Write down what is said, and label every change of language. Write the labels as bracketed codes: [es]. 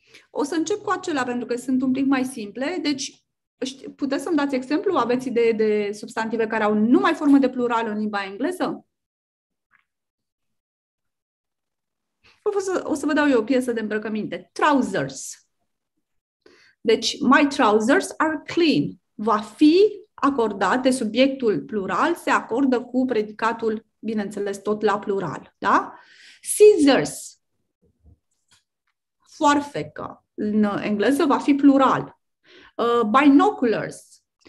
[ro] O să încep cu acelea, pentru că sunt un pic mai simple, deci... Puteți să-mi dați exemplu? Aveți idee de substantive care au numai formă de plural în limba engleză? O să vă dau eu o piesă de îmbrăcăminte. [en] Trousers. [ro] Deci, [en] my trousers are clean. [ro] Va fi acordate, subiectul plural se acordă cu predicatul, bineînțeles, tot la plural. Da? Scissors. Foarfecă. În engleză va fi plural. Binoculars.